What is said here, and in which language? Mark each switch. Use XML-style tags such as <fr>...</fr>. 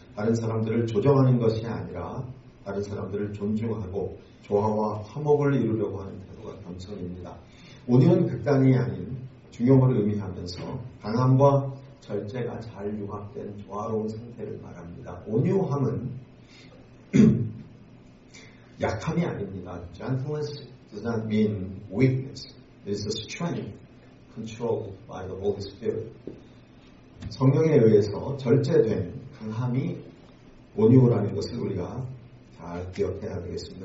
<ko>다른 사람들을 조정하는 것이 아니라 다른 사람들을 존중하고 조화와 화목을 이루려고 하는 태도가 겸손입니다. 온유는 극단이 아닌 중용을 의미하면서 강함과 절제가 잘 융합된 조화로운 상태를 말합니다. 온유함은 약함이 아닙니다.</ko> <en>Gentleness does not mean weakness. It's a strength controlled by the Holy Spirit.</en> <ko>성령에 의해서 절제된 강함이 온유라는 것을 우리가 잘 기억해야 되겠습니다.</ko>